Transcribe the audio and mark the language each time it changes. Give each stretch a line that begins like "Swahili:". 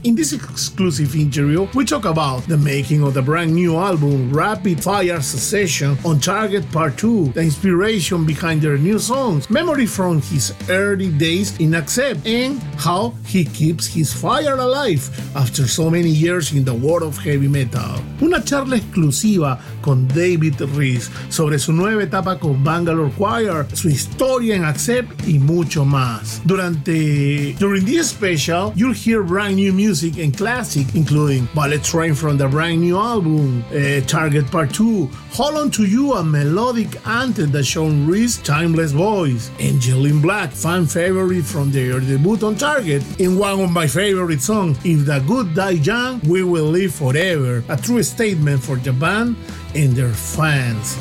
English: In this exclusive interview, we talk about the making of the brand new album Rapid Fire Succession on Target Part 2, the inspiration behind their new songs, memory from his early days in Accept, and how he keeps his fire alive after so many years in the world of heavy metal.
Spanish: Una charla exclusiva con David Rees sobre su nueva etapa con Bangalore Choir, su historia en Accept y mucho más.
English: During this special, you'll hear brand new music and classic, including Bullet Train from the brand new album, Target Part 2, Hold On To You, a melodic anthem that shown Rees' timeless voice, Angel In Black, fan favorite from their debut on Target, and one of my favorite songs, If The Good Die Young, We Will Live Forever, a true statement for the band and their fans.